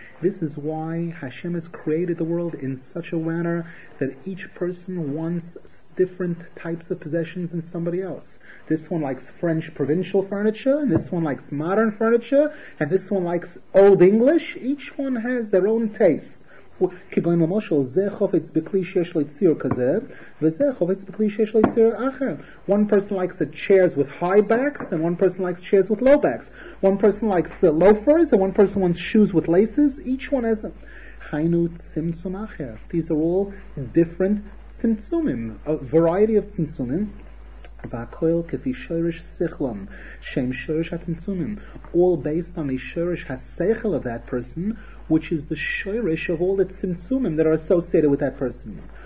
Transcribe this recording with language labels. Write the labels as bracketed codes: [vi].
[en] This is why Hashem has created the world in such a manner that each person wants different types of possessions than somebody else. This one likes French provincial furniture, and this one likes modern furniture, and this one likes old English. Each one has their own taste. [he] כגון למשל, זה חופץ בכלי שיש לו ציור כזה, וזה חופץ בכלי שיש לו ציור אחר. [en] One person likes the chairs with high backs, and one person likes chairs with low backs. One person likes loafers, and one person wants shoes with laces. Each one has a... [he] היינו צמצום אחר. [en] These are all different צמצומים, a variety of צמצומים. [he] והכל כפי שורש שכלם, שם שורש הצמצומים. [en] All based on the שורש השכל of that person, which is the shoirish of all the tzimtzumim that are associated with that person.